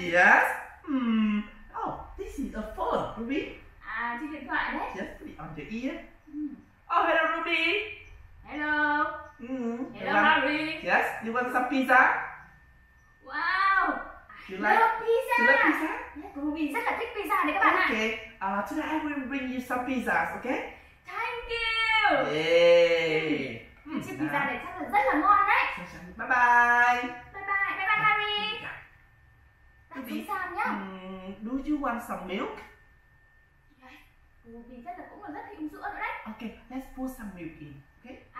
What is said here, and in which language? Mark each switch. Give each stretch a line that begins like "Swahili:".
English: Yes. Oh, this is a phone, Ruby.
Vietnamese: Chiếc điện thoại đấy.
English: Yes, put it on your ear. Oh, hello, Ruby. Hello. Hello, Harry. Yes, you want some pizza? Wow. You like love pizza? You like pizza?
Vietnamese: Yeah, Ruby rất là thích pizza đấy các bạn
English: okay.
Vietnamese: ạ.
English: Okay. Today I will bring you some pizzas, okay? Thank you. Yay.
Vietnamese: Chiếc pizza này chắc là rất là ngon đấy.
English: Bye bye. Bye bye, bye bye Harry.
Vietnamese: Đặt pizza nhá.
English: Do you want some milk?
Vietnamese: Ruby chắc là cũng là rất thích sữa nữa đấy.
English: Okay, let's pour some milk in. Okay.